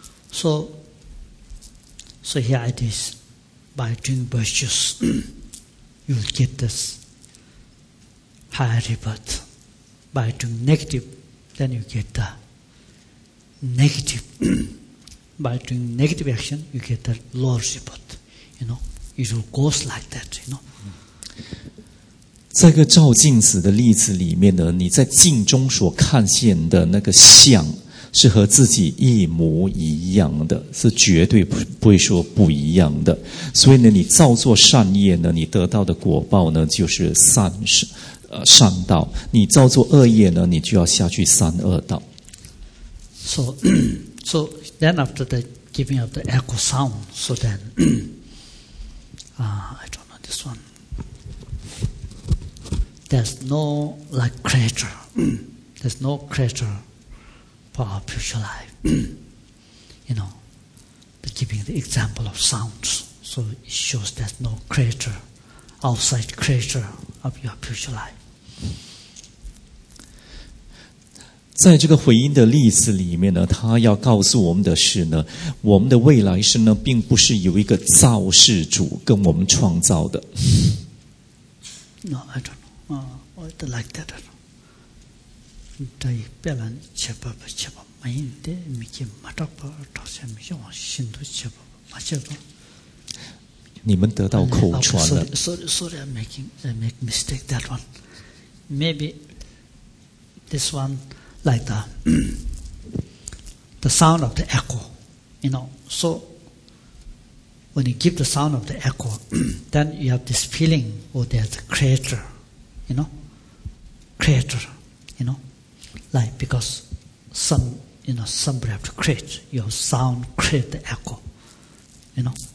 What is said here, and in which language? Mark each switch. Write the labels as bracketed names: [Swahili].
[English] So here it is. By doing virtues, you will get this higher rebirth. By doing negative, then you get the negative. By doing negative action, you get the lower rebirth. You know, it will go like that, you know. [Chinese] 在个照镜子的例子里面呢, 你在镜中所看见的那个像, 是和自己一模一样的, 是绝对不会说不一样的。所以呢, 你造作善业呢, 你得到的果报呢, 就是善道。你造作恶业呢, 你就要下去三恶道。 [English] So then after the giving of the echo sound, so then, I don't know this one. There's no like creature. There's no creature for our future life. You know, giving the example of sounds, so it shows there's no creature, outside creature of your future life. [Chinese] 在这个回音的例子里面呢, 他要告诉我们的是呢, 我们的未来生呢, 并不是有一个造世主跟我们创造的。 [English] No, I don't know. I don't like that. I don't know. 这一边人切巴巴切巴, 没人的,没给马达巴,朝鲜没给往新都切巴巴,马切巴。 [Chinese] 你们得到口传了。 [English] Sorry, I'm making, I make mistake that one. Maybe this one, like the sound of the echo, you know. So when you give the sound of the echo, then you have this feeling, oh, there's a creator, you know, creator, you know, like because some, you know, somebody have to create your sound, create the echo, you know.